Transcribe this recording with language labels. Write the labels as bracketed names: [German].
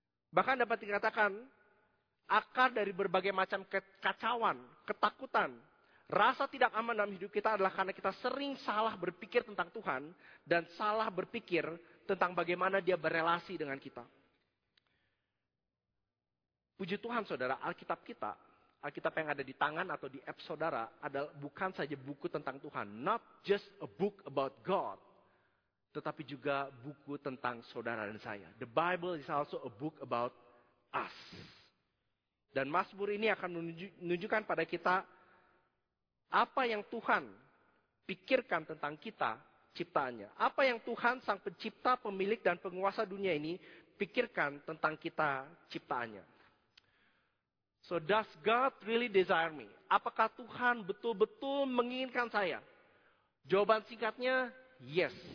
[Indonesian] Bahkan dapat dikatakan, akar dari berbagai macam kekacauan, ketakutan, rasa tidak aman dalam hidup kita adalah karena kita sering salah berpikir tentang Tuhan dan salah berpikir tentang bagaimana dia berrelasi dengan kita. Puji Tuhan, saudara, Alkitab kita, Alkitab yang ada di tangan atau di app saudara, adalah bukan saja buku tentang Tuhan, [English] not just a book about God, [Indonesian] tetapi juga buku tentang saudara dan saya. [English] The Bible is also a book about us. [Indonesian] Dan Mazmur ini akan menunjukkan pada kita apa yang Tuhan pikirkan tentang kita, ciptaannya. Apa yang Tuhan, Sang Pencipta, Pemilik, dan Penguasa dunia ini pikirkan tentang kita, ciptaannya. [English] So, does God really desire me? [Indonesian] Apakah Tuhan betul-betul menginginkan saya? Jawaban singkatnya, yes.